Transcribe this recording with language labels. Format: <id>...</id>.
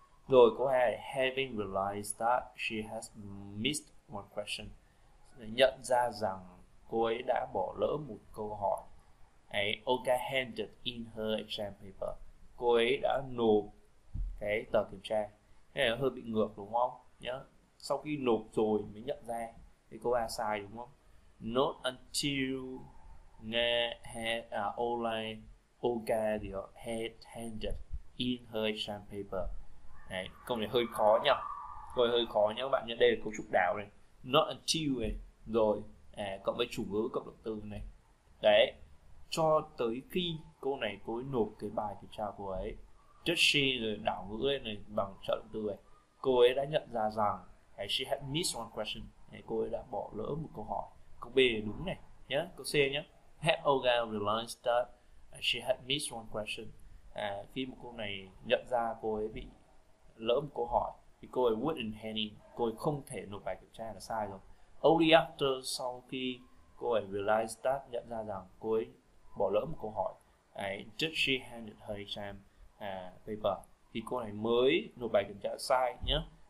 <vi>Rồi câu hai,</vi> <en>having realized that she has missed one question,</en> <vi>nhận ra rằng cô ấy đã bỏ lỡ một câu hỏi. Ấy,</vi> <en>Olga handed in her exam paper,</en> <vi>cô ấy đã nộp cái tờ kiểm tra. Thế là hơi bị ngược đúng không nhớ. Sau khi nộp rồi mới nhận ra thì câu A sai đúng không.</vi> <en>Not until nghe Olga Olga the head handed in her exam paper.</en> <vi>Đấy, câu này hơi khó nhá. Câu này hơi khó nhá các bạn nhé. Đây là cấu trúc đảo này. Not until này. Rồi, cộng với chủ ngữ, cộng động từ này. Đấy. Cho tới khi cô này cô ấy nộp cái bài kiểm tra của ấy. Just she rồi đảo ngữ này bằng trợ động từ này. Cô ấy đã nhận ra rằng</vi> <en>she had missed one question.</en> <vi>Đấy, cô ấy đã bỏ lỡ một câu hỏi. Câu B này đúng này nhá. Câu C nhá.</vi> <en>Had Olga realized that she had missed one question.</en> <vi>À, khi một cô này nhận ra cô ấy bị lỡ một câu hỏi thì cô ấy</vi> <en>wouldn't hand in,</en> <vi>cô ấy không thể nộp bài kiểm tra là sai rồi. Only after, sau khi cô ấy</vi> <en>realize that,</en> <vi>nhận ra rằng cô ấy bỏ lỡ một câu hỏi.</vi> <en>Did she hand her exam paper</en> <vi>thì cô này mới nộp bài kiểm tra sai nhé.</vi>